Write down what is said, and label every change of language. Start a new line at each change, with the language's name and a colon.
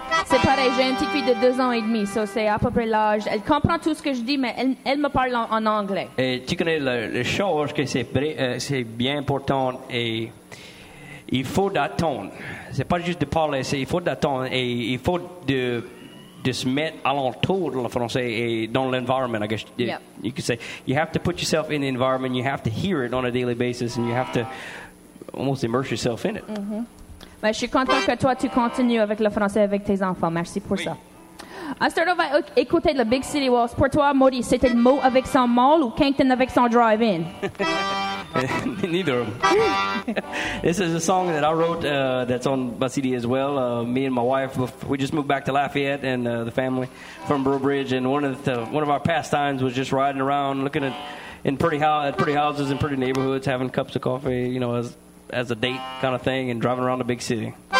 French: C'est pareil, j'ai une petite fille de 2 ans et demi, ça c'est à peu près l'âge. Elle comprend tout ce que je dis, mais elle me parle en anglais. Et tu connais les choses que c'est bien important et il faut d'attendre. C'est pas juste de parler, c'est il faut d'attendre et il faut de se mettre alentour de le français et dans l'environnement,
English: I guess. Yep. You could say, you have to put yourself in the environment, you have to hear it on a daily basis and you have to almost immerse yourself in it. Mm-hmm.
French: Ben, je suis content que toi, tu continues avec le français avec tes enfants. Merci pour oui. ça. Astor, on va écouter le Big City Walls. Pour toi, Maurice, c'était le mot avec son mall ou Kington avec son drive-in?
English: Neither of them. This is a song that I wrote that's on my CD as well. Me and my wife, we just moved back to Lafayette and the family from Brobridge. And one of our pastimes was just riding around looking at pretty houses and pretty neighborhoods, having cups of coffee, you know, as a date kind of thing, and driving around the big city.